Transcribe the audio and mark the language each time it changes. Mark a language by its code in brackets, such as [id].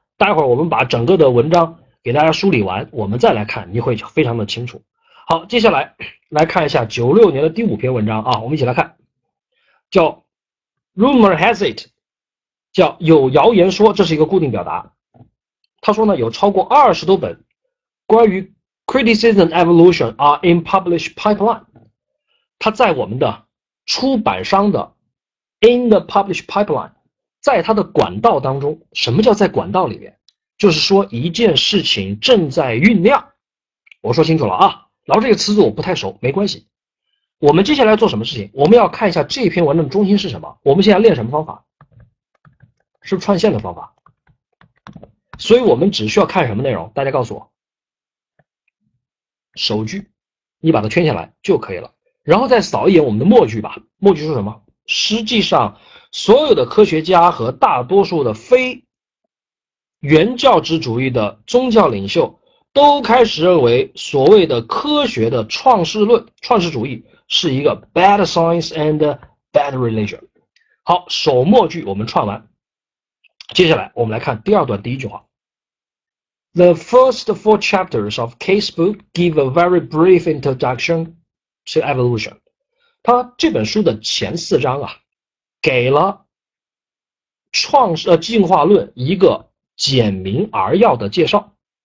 [zh] 待会儿我们把整个的文章给大家梳理完，我们再来看，你会非常的清楚。好，接下来来看一下96年的第五篇文章啊，我们一起来看，叫。 [en] Rumor has it， [zh] 叫有谣言说，这是一个固定表达。他说呢，有超过20多本关于 [en] criticism evolution are in published pipeline。 [zh] 他在我们的出版商的 [en] in the published pipeline， [zh] 在他的管道当中。什么叫在管道里面？就是说一件事情正在酝酿。我说清楚了啊，老师这个词组我不太熟，没关系。我们接下来做什么事情？我们要看一下这篇文章的中心是什么。我们现在练什么方法？是串线的方法。所以我们只需要看什么内容？大家告诉我，首句，你把它圈下来就可以了。然后再扫一眼我们的末句吧。末句是什么？实际上，所有的科学家和大多数的非原教旨主义的宗教领袖都开始认为，所谓的科学的创世论、创世主义。是一个 [en] bad science and bad religion。 [zh] 好，首末句我们串完。接下来我们来看第二段第一句话。 [en] The first four chapters of Casebook give a very brief introduction to evolution。 [zh] 他这本书的前四章啊，给了进化论一个简明而要的介绍。